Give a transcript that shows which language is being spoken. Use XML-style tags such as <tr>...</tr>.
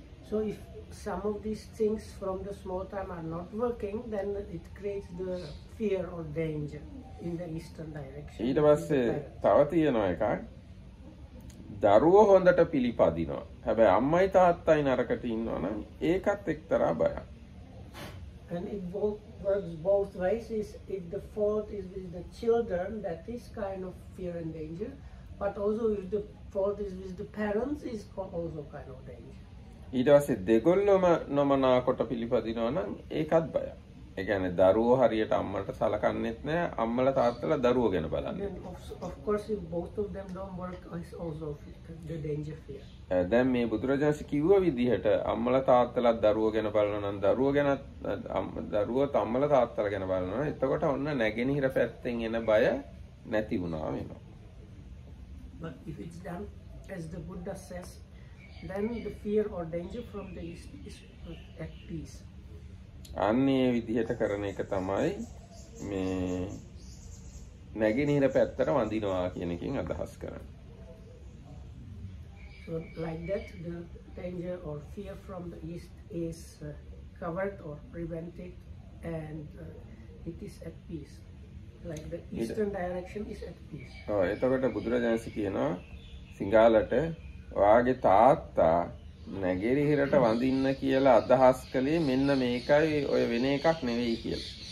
<en>So if some of these things from the small time are not working then it creates the fear or danger in the eastern direction</en> <si>ඊට පස්සේ තව තියෙනවා එකක් දරුව හොඳට පිළිපදිනවා. හැබැයි අම්මයි තාත්තයි නරකට ඉන්නවා නම් ඒකත් එක්තරා බයක්.</si> <en>And it works both ways is if the fault is with the children that is kind of fear and danger but also if the fault is with the parents is also kind of danger.</en> <si>ඊට පස්සේ දෙගොල්ලම නොමනා කොට පිළිපදිනවා නම් ඒකත් බයක්. ඒ කියන්නේ දරුව හරියට අම්මලට සලකන්නේත් නැහැ අම්මලා තාත්තලා දරුව ගැන බලන්නේ.</si> <en>Of course if both of them don't work is also the danger fear.</en> <si>දැන් මේ බුදුරජාසු කිව්ව විදිහට අම්මලා තාත්තලා දරුව ගැන බලනවා නම් දරුව ගැන දරුව තම්මලා තාත්තලා ගැන බලනවා. එතකොට ඔන්න නැගෙනහිර පැත්තෙන් එන බය නැති වුණා වෙනවා.</si> <en>But if it's done as the Buddha says then the fear or danger from the east is at peace.</en> <si>අන්නේ විදිහට කරන එක තමයි මේ නැගිනීර පැත්තට වඳිනවා කියන එකෙන් අදහස් කරන්නේ.</si> <en>So like that the danger or fear from the east is covered or prevented and it is at peace. Like the eastern direction is at peace.</en> <si>ඔව් එතකොට බුදුරජාණන් කියනවා සිංහලට වාගේ තාත්තා නැගිරිහිරට වඳින්න කියලා අදහස් කළේ මෙන්න මේකයි ඔය වෙන එකක් නෙවෙයි කියලා.</si>